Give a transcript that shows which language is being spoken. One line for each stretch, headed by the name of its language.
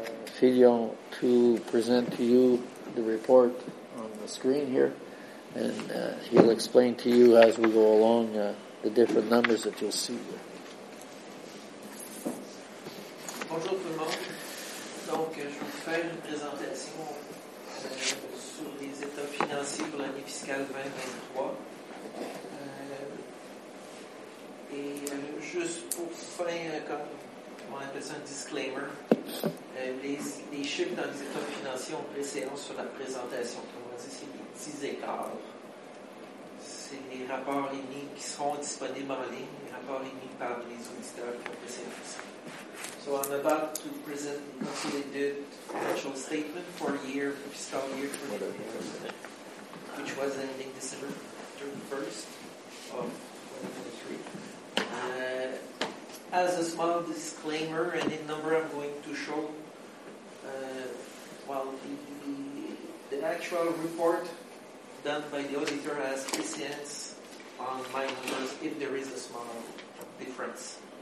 English: Fillon to present to you the report on the screen here, and he'll explain to you as we go along the different numbers that you'll see here.
French: Bonjour tout le monde. Donc, je vais vous faire une présentation sur les états financiers pour l'année fiscale 2023. Et juste pour faire comme on appelle ça un disclaimer, les chiffres dans les états financiers ont précédence sur la présentation. Comme on dit, c'est les petits écarts. C'est les rapports émis qui seront disponibles en ligne, les rapports émis par les auditeurs qui ont précédence.
English: So I'm about to present the consolidated financial statement for year, fiscal year 2023, which was ending December 31st of 2023. As a small disclaimer, any number I'm going to show, while the actual report done by the auditor has precedence on my numbers if there is a small difference.